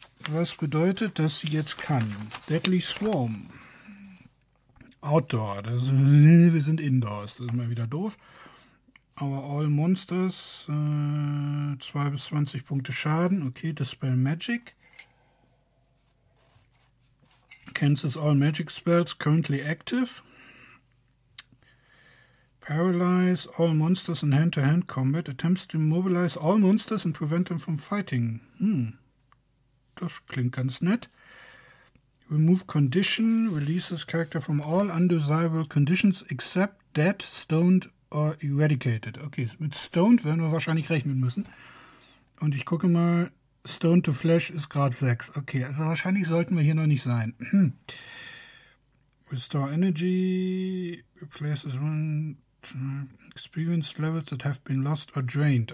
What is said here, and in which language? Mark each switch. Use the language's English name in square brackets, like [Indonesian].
[German] Was bedeutet, dass sie jetzt kann? [English] Deadly Swarm. Outdoor. [German] Das, wir sind indoors. Das ist mal wieder doof. Aber All Monsters, 2 bis 20 Punkte Schaden. [English] Okay, Dispel Magic. Cancels All Magic Spells, currently active. Paralyze All Monsters in Hand-to-Hand Combat. Attempts to immobilize All Monsters and prevent them from fighting. [German] Das klingt ganz nett. [English] Remove Condition, releases Character from All Undesirable Conditions except Dead, Stoned, or eradicated. [German] Okay, mit Stoned werden wir wahrscheinlich rechnen müssen. Und ich gucke mal, Stoned to Flesh ist Grad 6. Okay, also wahrscheinlich sollten wir hier noch nicht sein. [English] Restore Energy, replaces one experience levels that have been lost or drained.